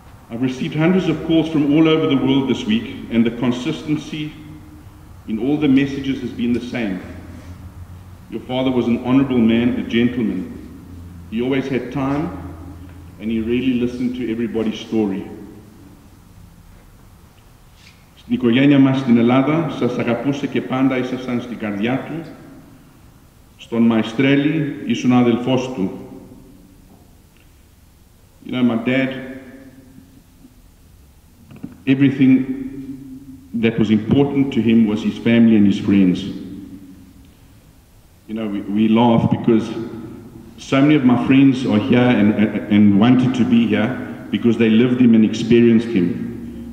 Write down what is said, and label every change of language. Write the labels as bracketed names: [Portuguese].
[English] I've received hundreds of calls from all over the world this week, and the consistency in all the messages has been the same. Your father was an honorable man, a gentleman. He always had time, and he really listened to everybody's story. [Greek] Στην οικογένεια μας στην Ελλάδα, σας αγαπούσε και πάντα ήσασταν στην καρδιά του. Στον Μαϊστρέλη, ήσουν αδελφός του. [English] You know, my dad, everything that was important to him was his family and his friends. You know, we laugh because so many of my friends are here and wanted to be here because they lived him and experienced him.